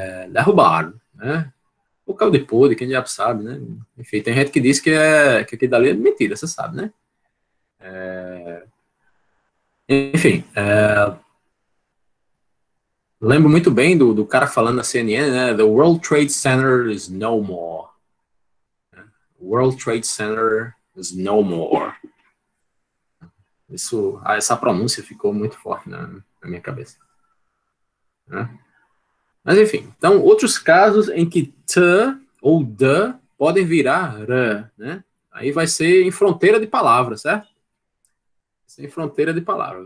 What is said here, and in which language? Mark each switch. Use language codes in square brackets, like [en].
[pt] Derrubaram, né? O caldo de podre, quem já sabe, né? Enfim, tem gente que diz que aquilo dali é mentira, você sabe, né? Lembro muito bem do cara falando na CNN, né? [en] The World Trade Center is no more. World Trade Center is no more. [pt] Essa pronúncia ficou muito forte na minha cabeça. Né? Mas, enfim. Então, outros casos em que T ou D podem virar R, né? Aí vai ser em fronteira de palavras, certo? Sem fronteira de palavras.